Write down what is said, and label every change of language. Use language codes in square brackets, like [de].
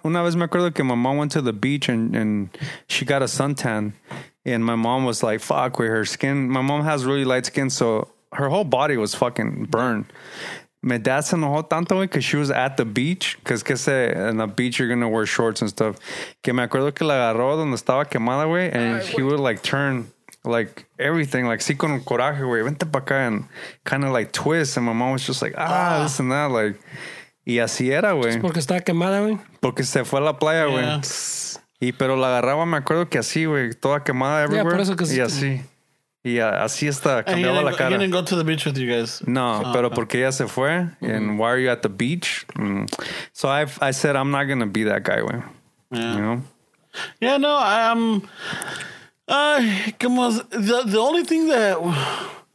[en] Una vez me acuerdo que my mom went to the beach and she got a suntan. And my mom was like, fuck, with her skin. My mom has really light skin, so her whole body was fucking burned. My dad se enojó tanto, güey, because she was at the beach. Because, que se, on the beach, you're going to wear shorts and stuff. [es] Que me acuerdo que la agarró donde estaba quemada, güey. [en] And she would, like, turn, like, everything. Like, sí, con coraje, güey. Vente pa' acá. And kind of, like, twist. And my mom was just like, this and that. [es] Like, y así era, güey. Porque estaba quemada, güey. Porque se fue a la playa, güey. Y pero la agarraba, me acuerdo que así, güey. Toda quemada everywhere. Yeah, por eso que y sí. Así. Y así está, cambiaba la cara. [en] You didn't go to the beach with you guys. No, oh, pero okay. Porque ella se fue. Mm-hmm. And why are you at the beach? Mm. So I said, I'm not going to be that guy, güey. Yeah. You know? Yeah, no, I'm... The only thing that...